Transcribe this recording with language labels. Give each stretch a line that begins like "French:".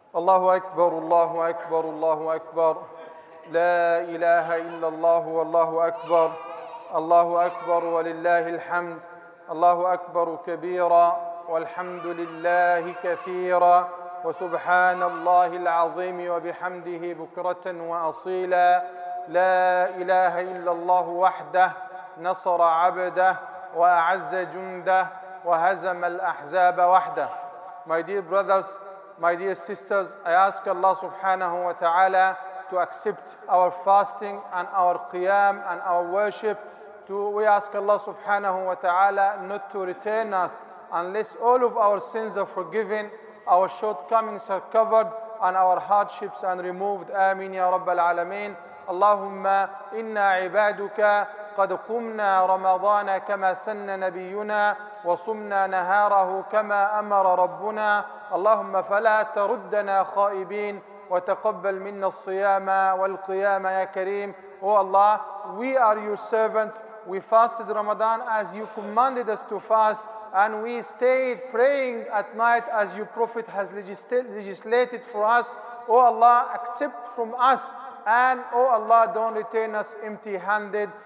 Arabic: الله أكبر الله أكبر الله أكبر لا إله إلا الله والله أكبر الله أكبر ولله الحمد الله أكبر كبيرا والحمد لله كثيرا وسبحان الله العظيم وبحمده بكرة وأصيلا لا إله إلا الله وحده نصر عبده وأعز جنده وهزم الأحزاب وحده.
English: My dear brothers, my dear sisters, I ask Allah subhanahu wa ta'ala to accept our fasting and our qiyam and our worship. We ask Allah subhanahu wa ta'ala not to retain us unless all of our sins are forgiven, our shortcomings are covered, and our hardships are removed. Ameen ya Rabbal Alameen.
Arabic: Allahumma inna ibaduka قد قمنا رمضان كما سن نبينا وصمنا نهاره كما أمر ربنا اللهم فلا تردنا خائبين وتقبل منا الصيام والقيام يا كريم.
English: Oh Allah, we are your servants. We fasted Ramadan as you commanded us to fast, and we stayed praying at night as your prophet has legislated for us. Oh Allah, accept from us. And O Allah, don't retain us empty-handed.